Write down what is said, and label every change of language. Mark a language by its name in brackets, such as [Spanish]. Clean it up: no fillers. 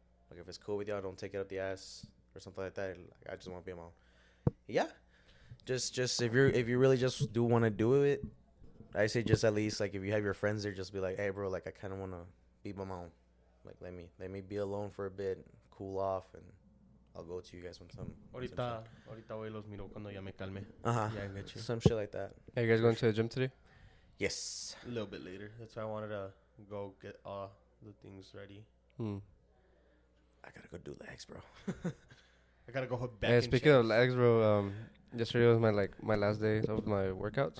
[English] Like, if it's cool with y'all, don't take it up the ass or something like that. Like, I just want to be my own. Yeah, just if you really just do want to do it, I say just at least like if you have your friends there, just be like, hey bro, like I kind of want to be by my own, like let me be alone for a bit, cool off, and I'll go to you guys when some. [Spanish] Ahorita, ahorita voy los miro cuando ya me calme. [English] Uh-huh. Some shit like that. Are you guys going to the gym today? Yes. A little bit later. That's why I wanted to go get all the things ready. I gotta go do legs, bro. I gotta go hook back. Yeah, speaking of legs, bro, yesterday was my last day of my workouts.